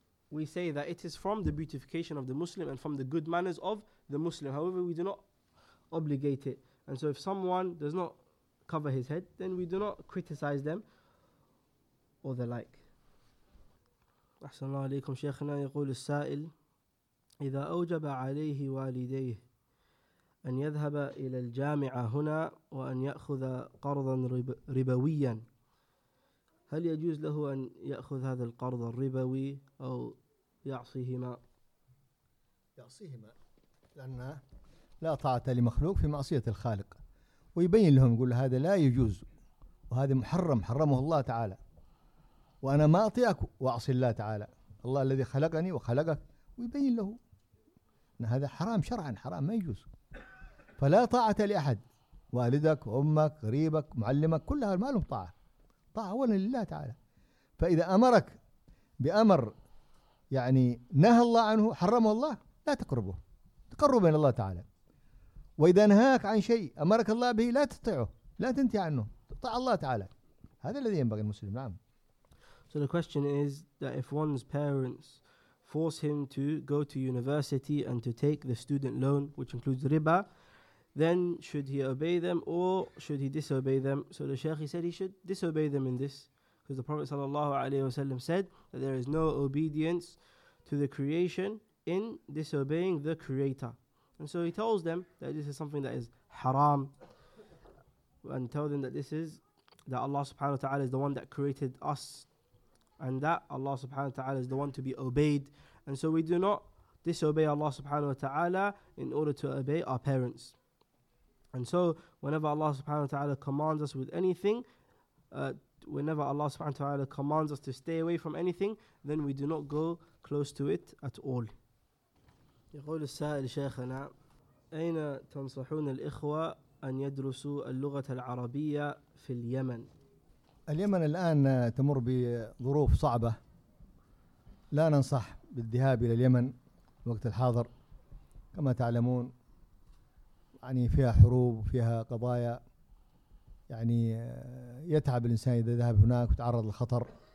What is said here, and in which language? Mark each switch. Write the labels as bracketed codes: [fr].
[en] we say that it is from the beautification of the Muslim and from the good manners of the Muslim. However, we do not obligate it. And so if someone does not cover his head, then we do not criticize them or the like. [ar] As-salamu alaykum, Shaykhina yaqul al-sa'il, إِذَا أَوْجَبَ عَلَيْهِ وَالِدَيْهِ أَنْ يَذْهَبَ إِلَى الْجَامِعَةِ هُنَا وَأَنْ يَأْخُذَ قَرْضًا رِبَوِيًّا هل يجوز له أن يأخذ هذا القرض الربوي أو يعصيهما؟ يعصيهما لأن لا طاعة لمخلوق في معصية الخالق، ويبين لهم يقول هذا لا يجوز وهذا محرم، حرمه الله تعالى، وأنا ما أطيعك وأعصي الله تعالى، الله الذي خلقني وخلقك، ويبين له أن هذا حرام شرعا، حرام ما يجوز. فلا طاعة لأحد، والدك وأمك قريبك معلمك، كلها ما لهم طاعة، طاعة أولا لله تعالى. فإذا أمرك بأمر يعني نهى الله عنه حرمه الله، لا تقربه، تقرب من الله تعالى. وإذا نهاك عن شيء أمرك الله به لا تطيعه، لا تنتهي عنه، طاع الله تعالى، هذا الذي ينبغي المسلم. نعم. [en] So the question is that if one's parents force him to go to university and to take the student loan, which includes riba, then should he obey them or should he disobey them? So the Shaykh, he said he should disobey them in this, because the Prophet sallallahu alaihi wasallam said that there is no obedience to the creation in disobeying the creator. And so he tells them that this is something that is haram, and tell them that this is that Allah subhanahu wa ta'ala is the one that created us, and that Allah subhanahu wa ta'ala is the one to be obeyed. And so we do not disobey Allah subhanahu wa ta'ala in order to obey our parents. And so whenever Allah subhanahu wa ta'ala commands us with anything, whenever Allah subhanahu wa ta'ala commands us to stay away from anything, then we do not go close to it at all. [ar] يقول السائل شيخنا أين تنصحون الإخوة أن يدرسوا اللغة العربية في اليمن؟ اليمن الآن تمر بظروف صعبة، لا ننصح بالذهاب إلى اليمن وقت الحاضر، كما تعلمون يعني فيها حروب وفيها قضايا، يعني يتعب الإنسان إذا ذهب هناك وتعرض للخطر.